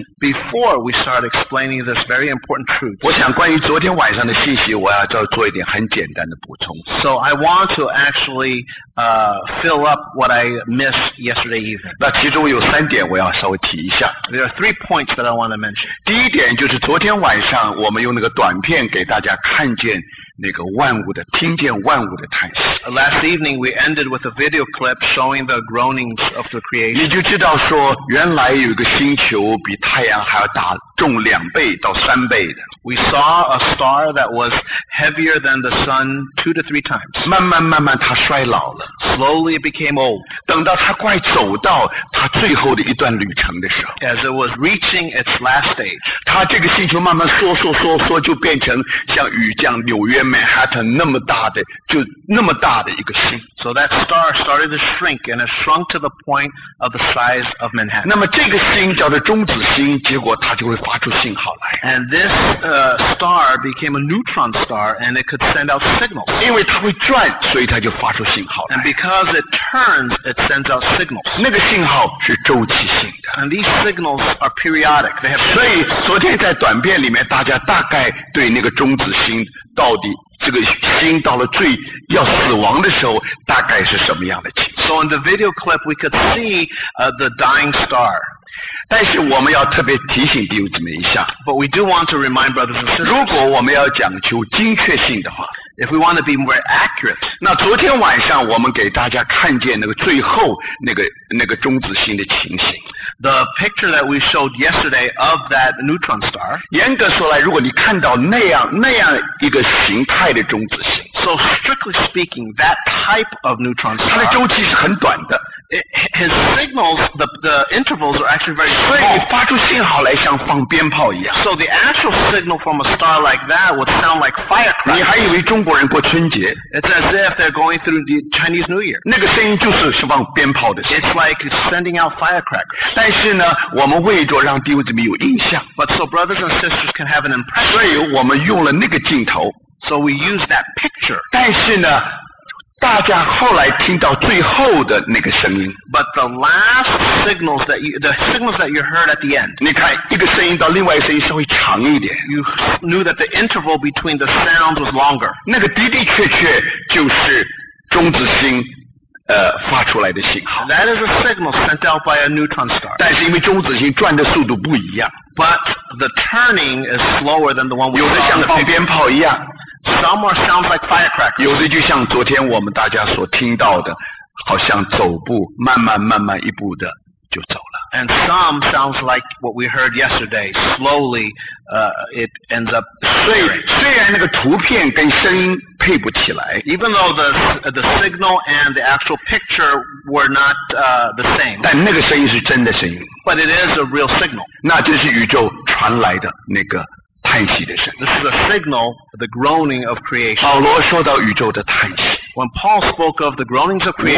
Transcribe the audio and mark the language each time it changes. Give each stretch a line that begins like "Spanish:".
English: Before we start explaining this very important truth,
Chinese: 我想关于昨天晚上的信息，我要做一点很简单的补充。
English: So I want to actually fill up what I missed yesterday evening.
Chinese: 那其中有三点我要稍微提一下。
English: There are three points that I want to mention.
Chinese: 第一点就是昨天晚上我们用那个短片给大家看见那个万物的，听见万物的叹息。
English: Last evening we ended with a video clip showing the groanings of the creation.
Chinese: 你就知道说原来有一个星球比太阳还要大，重两倍到三倍的。
English: We saw a star that was heavier than the sun 2 to 3 times.
Chinese: 慢慢慢慢它衰老了。
English: Slowly it became old.
Chinese: 等到它快走到它最后的一段旅程的时候。
English: As it was reaching its last stage.
Chinese: 它这个星球慢慢缩缩缩缩，就变成像雨降纽约Manhattan 那么大的，就那么大的一个星。
English: So that star started to shrink and it shrunk to the point of the size of Manhattan.
Chinese: 那么这个星叫做中子星，结果它就会发出信号来。
English: And this star became a neutron star and it could send out signals.
Chinese: 因为它会转，所以它就发出信号来。
English: And because it turns, it sends out signals.
Chinese: 那个信号是周期性的。
English: And these signals are periodic. They have.
Chinese: 所以昨天在短片里面，大家大概对那个中子星到底这个星到了最要死亡的时候大概是什么样的情况。
English: So in the video clip we could see the dying star.
Chinese: 但是我们要特别提醒弟兄姊妹一下。
English: But we do want to remind brothers and sisters.
Chinese: 如果我们要讲求精确性的话。
English: If we want to be more accurate.
Chinese: 那昨天晚上我们给大家看见那个最后那个中子星的情形。
English: The picture that we showed yesterday of that neutron star.
Chinese: 严格说来，如果你看到那样一个形态的中子星。
English: So strictly speaking, that type of neutron star.
Chinese: 它的周期是很短的。
English: His signals, the intervals are actually very small.
Chinese: 所以发出信号来像放鞭炮一样。
English: So the actual signal from a star like that would sound like firecrackers.
Chinese: 你还以为中国人过春节。
English: It's as if they're going through the Chinese New Year.
Chinese: 那个声音就是放鞭炮的声音。
English: It's like sending out firecrackers.
Chinese: 但是呢，我们为着让弟兄姊妹有印象。
English: But so brothers and sisters can have an impression.
Chinese: 所以我们用了那个镜头。
English: So we use that picture.
Chinese: 但是呢大家后来听到最后的那个声音。
English: But the last signals that the signals that you heard at the end.
Chinese: 你看一个声音到另外一个声音稍微长一点。
English: You knew that the interval between the sounds was longer.
Chinese: 那个的的确确就是中子星发出来的信号。
English: That is a signal sent out by a neutron star.
Chinese: 但是因为中子星转的速度不一样。
English: But the turning is slower than the one we saw.
Chinese: 有的像放鞭炮一样。
English: Some are sounds like firecrackers.
Chinese: 有的就像昨天我们大家所听到的，好像走步慢慢慢慢一步的就走了。
English: And some sounds like what we heard yesterday. Slowly, it ends up.
Chinese: 虽然那个图片跟声音配不起来。
English: Even though the signal and the actual picture were not the same.
Chinese: 但那个声音是真的声音。
English: But it is a real signal.
Chinese: 那就是宇宙传来的那个。叹息的声音。
English: This is a signal, the groaning of creation.
Chinese: 保罗说到宇宙的叹息。
English: When Paul spoke of the groanings of creation,